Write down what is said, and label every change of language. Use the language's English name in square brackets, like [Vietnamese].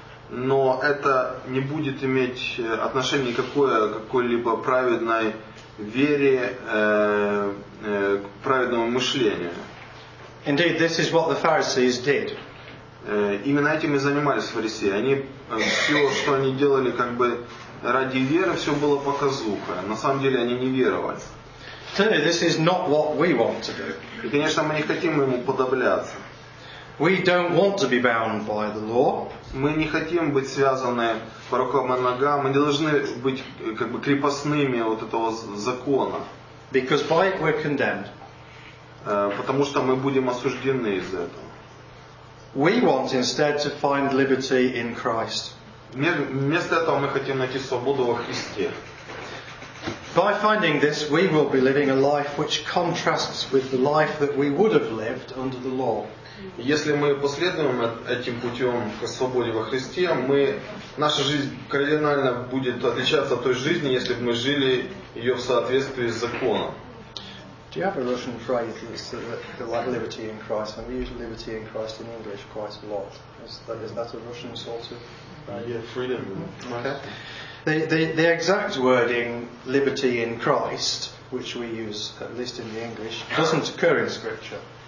[Russian] Но это не будет иметь отношения никакое к какой-либо праведной вере к праведному мышлению. [English] Indeed, this is what the Pharisees did. [Russian] Именно этим и занимались фарисеи. Они все, что они делали, как бы ради веры, все было показуха. На самом деле они не веровали. [English] Clearly, this is not what we want to do. [Russian] И, конечно, мы не хотим ему подобляться. [English] We don't want to be bound by the law. [Russian] Мы не хотим быть связаны по рукам и ногам. Мы не должны быть как бы крепостными вот этого закона. [English] Because by it we're condemned. [Russian] Потому что мы будем осуждены из-за этого. [English] We want instead to find liberty in Christ. [Russian] Вместо этого мы хотим найти свободу во Христе. [English] By finding this, we will be living a life which contrasts with the life that we would have lived under the law. [Russian] Если мы последуем этим путем к свободе во Христе, мы, наша жизнь кардинально будет отличаться от той жизни, если бы мы жили ее в соответствии с законом. [English] Do you have a Russian phrase that's like liberty in Christ? And we use liberty in Christ in English quite a lot. Is that a Russian sort of freedom? Okay. The exact wording liberty in Christ, which we use at least in the English, doesn't occur in Scripture.